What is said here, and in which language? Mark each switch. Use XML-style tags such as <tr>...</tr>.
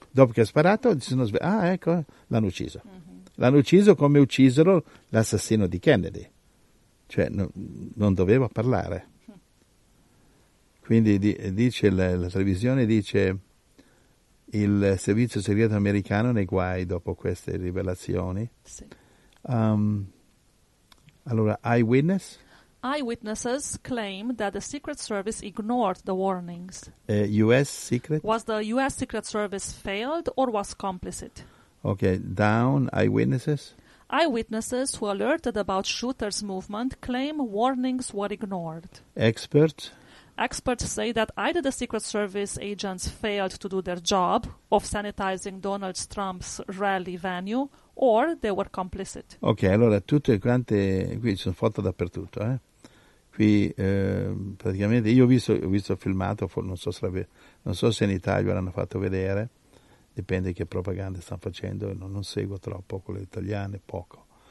<it>Dopo che ha sparato, l'hanno ucciso. L'hanno ucciso come uccisero l'assassino di Kennedy. Cioè, non doveva parlare. Quindi dice la televisione, dice il servizio segreto americano nei guai dopo queste rivelazioni. Sì.</it> <en>Allora, eyewitness? Eyewitnesses claim that the Secret Service ignored the warnings. U.S. Secret? Was the U.S. Secret Service failed or was complicit? Okay, down, eyewitnesses? Eyewitnesses who alerted about shooters' movement claim warnings were ignored. Experts? Experts say that either the Secret Service agents failed to do their job of sanitizing Donald Trump's rally venue or they were complicit.</en> <it>Ok, allora tutte quante, qui ci sono foto dappertutto, qui praticamente io ho visto il filmato, non so se in Italia l'hanno fatto vedere, dipende che propaganda stanno facendo, non seguo troppo quelle italiane, poco.</it>